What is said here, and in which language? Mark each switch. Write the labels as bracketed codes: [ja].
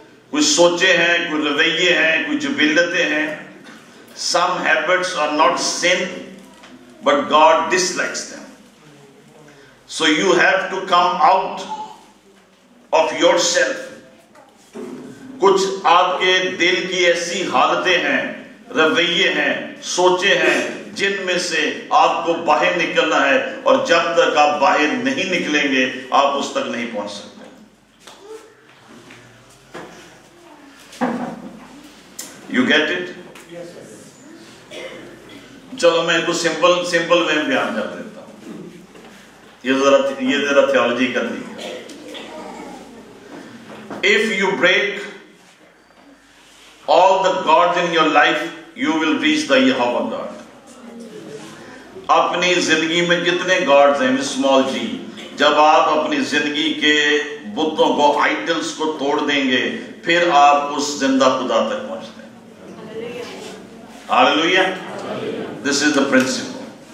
[ur] کچھ سوچے ہیں, کچھ رویے ہیں, کچھ جبلتیں ہیں. [en] Some habits are not sin, but God dislikes them. So you have to come out of yourself. [ur] کچھ آپ کے دل کی ایسی حالتیں ہیں, رویے ہیں, سوچے ہیں, جن میں سے آپ کو باہر نکلنا ہے, اور جب تک آپ باہر نہیں نکلیں گے آپ اس تک نہیں پہنچ سکتے. [en] You get it? [ur] چلو میں ان کو سمپل میں بیان کر دیتا ہوں. یہ ذرا تھیولوجی کر دی. [en] If you break all the gods in your life, you will reach the Yehovah God. [ur] اپنی زندگی میں جتنے گاڈز ہیں اسمال جی, جب آپ اپنی زندگی کے بتوں کو, آئیڈلز کو توڑ دیں گے, پھر آپ اس زندہ خدا تک پہنچتے ہیں. ہللویہ. [en] This is the principle.